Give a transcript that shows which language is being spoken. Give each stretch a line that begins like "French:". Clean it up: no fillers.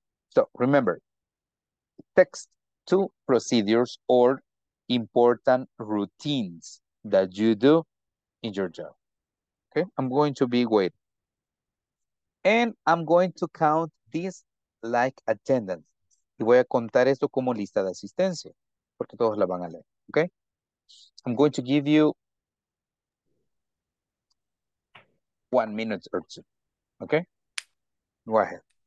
English: So remember, text two procedures or important routines that you do in your job. Okay, I'm going to be waiting. And I'm going to count this like attendance.
Spanish: Y voy a contar esto como lista de asistencia, porque todos la van a leer, okay?
English: I'm going to give you 1 minute or two, okay? Go ahead.